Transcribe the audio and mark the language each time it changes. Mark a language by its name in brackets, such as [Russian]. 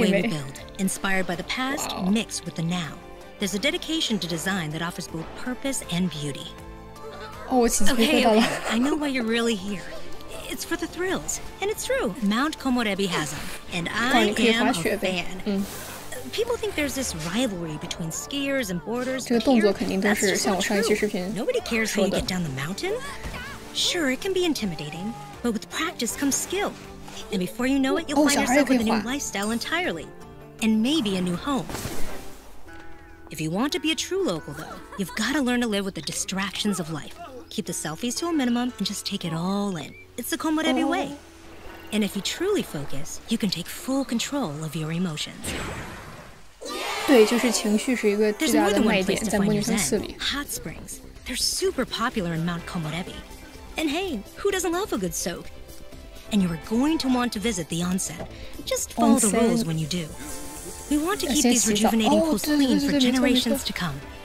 [English] It's even in the way we build, inspired by the past, mixed with the now. There's a dedication to design that offers both purpose and beauty. [Chinese] 哦，我起鸡皮疙瘩了。 [English] I know why you're really here. It's for the thrills, and it's true. Mount Komorebi has them, and I am a fan. People think there's this rivalry between skiers and boarders. [Chinese] 这个动作肯定都是像我上一期视频 [English] Nobody cares how you get down the mountain. Sure, it can be intimidating, but with practice comes skill. And before you know it, you'll find yourself with a new lifestyle entirely, and maybe a new home. If you want to be a true local, though, you've got to learn to live with the distractions of life. Keep the selfies to a minimum and just take it all in. It's the Komorebi way. And if you truly focus, you can take full control of your emotions. [Chinese] 对，就是情绪是一个巨大的卖点，在模拟生四里。 [English] Hot springs, they're super popular in Mount Komorebi. And hey, who doesn't love a good soak? And you are going to want to visit the onsen. Just follow the rules when you do. We want to keep these rejuvenating pools clean for generations to come.